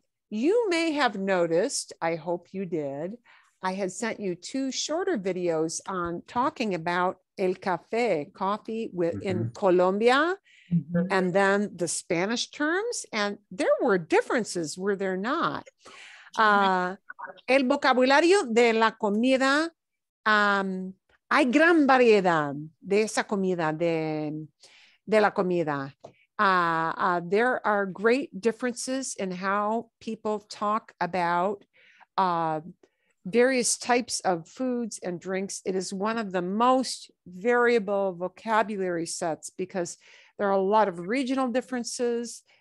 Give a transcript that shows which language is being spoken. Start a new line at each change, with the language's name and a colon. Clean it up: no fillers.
English: You may have noticed, I hope you did, I had sent you two shorter videos on talking about el café, coffee in Colombia, and then the Spanish terms, and there were differences, were there not?
Spanish: El vocabulario de la comida, hay gran variedad de esa comida, de la comida.
English: There are great differences in how people talk about various types of foods and drinks. It is one of the most variable vocabulary sets because there are a lot of regional differences.